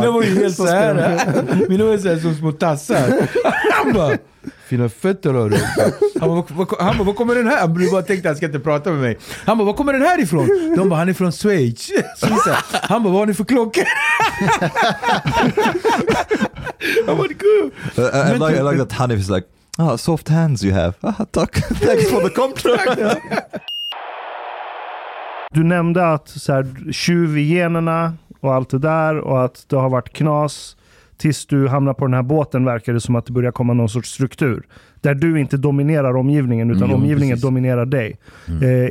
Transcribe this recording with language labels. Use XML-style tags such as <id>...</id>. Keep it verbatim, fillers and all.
<sv>Mina var ju helt så här. Mina var ju så här som små tassar. Han bara, fina fötter har du. Han bara, vad kommer den här? Han bara tänkte han ska inte prata med mig. Han bara, vad kommer den här ifrån? De bara, han är från Schweiz. Han bara, vad har ni för klockor? Han bara, gud.</sv> <en>I like, I like that Hanif is like, oh, soft hands you have. Ah,</en> <sv>tack.</sv> <en>Thanks for the compliment.</en> <sv>Du nämnde att så här, tjuvgenerna och allt det där och att det har varit knas. Tills du hamnar på den här båten verkar det som att det börjar komma någon sorts struktur. Där du inte dominerar omgivningen utan mm, omgivningen precis. Dominerar dig. Mm.</sv>